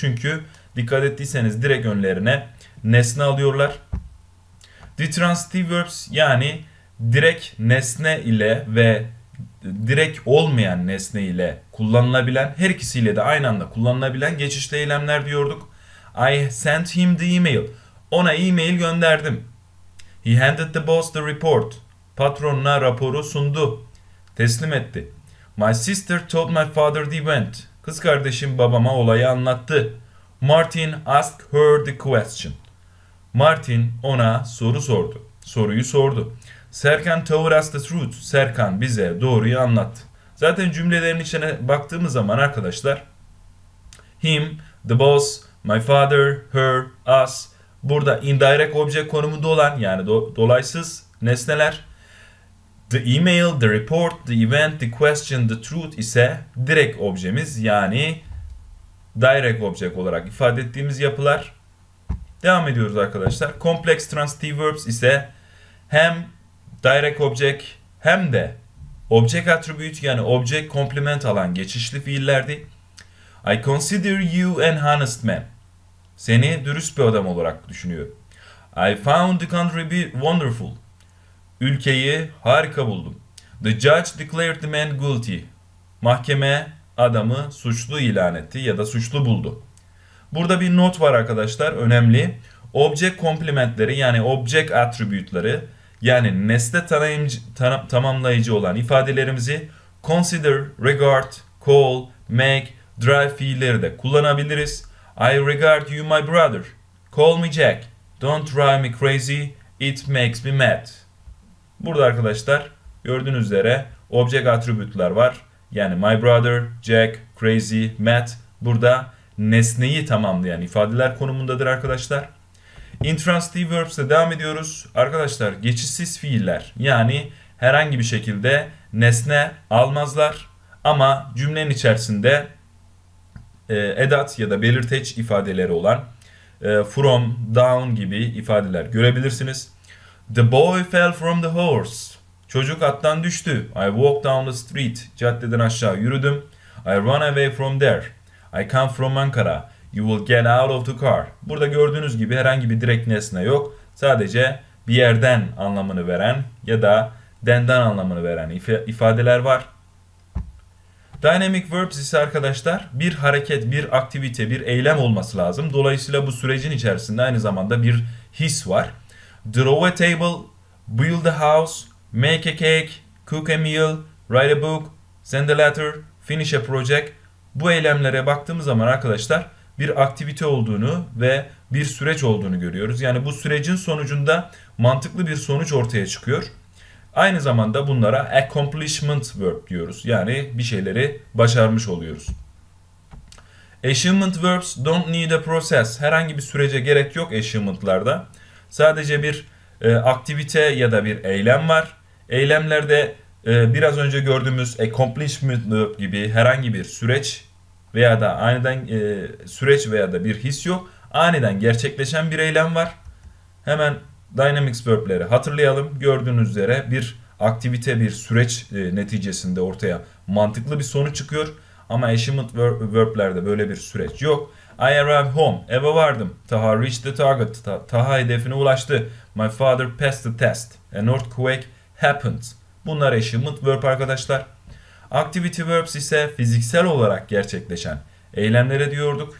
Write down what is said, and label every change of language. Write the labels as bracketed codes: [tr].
[tr] Çünkü dikkat ettiyseniz direkt önlerine nesne alıyorlar. Detransitive verbs yani direkt nesne ile ve direkt olmayan nesne ile kullanılabilen, her ikisiyle de aynı anda kullanılabilen geçişli eylemler diyorduk. [en] I sent him the email. [tr] Ona e-mail gönderdim. [en] He handed the boss the report. [tr] Patronuna raporu sundu. Teslim etti. [en] My sister told my father the event. [tr] Kız kardeşim babama olayı anlattı. [en] Martin asked her the question. [tr] Martin ona soru sordu. Soruyu sordu. [en] Serkan told us the truth. [tr] Serkan bize doğruyu anlattı. Zaten cümlelerin içine baktığımız zaman arkadaşlar, him, the boss, my father, her, us, burada indirect object konumunda olan, yani dolaysız nesneler, the email, the report, the event, the question, the truth ise direct objemiz, yani direct object olarak ifade ettiğimiz yapılar. Devam ediyoruz arkadaşlar. Complex transitive verbs ise hem direct object hem de object attribute, yani object complement alan geçişli fiillerdi. [en] I consider you an honest man. [tr] Seni dürüst bir adam olarak düşünüyorum. [en] I found the country wonderful. [tr] Ülkeyi harika buldum. [en] The judge declared the man guilty. [tr] Mahkeme adamı suçlu ilan etti ya da suçlu buldu. Burada bir not var arkadaşlar, önemli. Object complementleri, yani object attribute'ları, yani nesne tamamlayıcı olan ifadelerimizi consider, regard, call, make, drive fiilleri de kullanabiliriz. [en] I regard you my brother. Call me Jack. Don't drive me crazy. It makes me mad. [tr] Burada arkadaşlar gördüğünüz üzere object attribute'lar var. Yani my brother, Jack, crazy, mad. Burada nesneyi tamamlayan ifadeler konumundadır arkadaşlar. Intransitive verbs ile devam ediyoruz. Arkadaşlar geçişsiz fiiller, yani herhangi bir şekilde nesne almazlar. Ama cümlenin içerisinde edat ya da belirteç ifadeleri olan from, down gibi ifadeler görebilirsiniz. [en] The boy fell from the horse. [tr] Çocuk attan düştü. [en] I walked down the street. [tr] Caddeden aşağı yürüdüm. [en] I run away from there. I come from Ankara. You will get out of the car. [tr] Burada gördüğünüz gibi herhangi bir direkt nesne yok. Sadece bir yerden anlamını veren ya da denden anlamını veren ifadeler var. Dynamic verbs ise arkadaşlar bir hareket, bir aktivite, bir eylem olması lazım. Dolayısıyla bu sürecin içerisinde aynı zamanda bir his var. [en] Draw a table, build a house, make a cake, cook a meal, write a book, send a letter, finish a project. [tr] Bu eylemlere baktığımız zaman arkadaşlar bir aktivite olduğunu ve bir süreç olduğunu görüyoruz. Yani bu sürecin sonucunda mantıklı bir sonuç ortaya çıkıyor. Aynı zamanda bunlara accomplishment verb diyoruz. Yani bir şeyleri başarmış oluyoruz. [en] Achievement verbs don't need a process. [tr] Herhangi bir sürece gerek yok achievement'larda. Sadece bir aktivite ya da bir eylem var. Eylemlerde biraz önce gördüğümüz accomplishment verb gibi herhangi bir süreç veya da aniden süreç veya da bir his yok. Aniden gerçekleşen bir eylem var. Hemen Dynamics verb'leri hatırlayalım. Gördüğünüz üzere bir aktivite, bir süreç neticesinde ortaya mantıklı bir sonuç çıkıyor. Ama achievement verb'lerde böyle bir süreç yok. [en] I arrived home. [tr] Eve vardım. [en] Taha reached the target. [tr] Taha hedefine ulaştı. [en] My father passed the test. An earthquake happened. [tr] Bunlar achievement verb arkadaşlar. Activity verbs ise fiziksel olarak gerçekleşen eylemlere diyorduk.